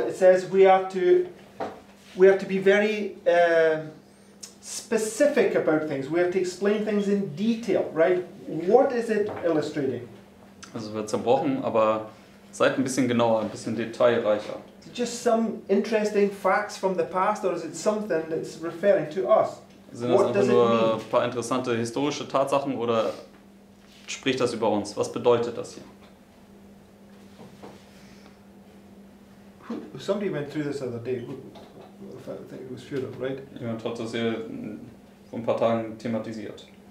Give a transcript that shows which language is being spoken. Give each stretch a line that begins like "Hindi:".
English: It says we have to be very specific about things. We have to explain things in detail, right? What is it illustrating?
German: Also wird zerbrochen, aber seid ein bisschen genauer, ein bisschen detailreicher.
English: Just some interesting facts from the past, or is it something that's referring to us?
German: Sind das einfach nur ein paar interessante historische Tatsachen, oder spricht das über uns? Was bedeutet das hier?
English: Somebody went through this the other day. I think it was Führer, right?
German: Jemand hat das hier vor ein paar Tagen thematisiert.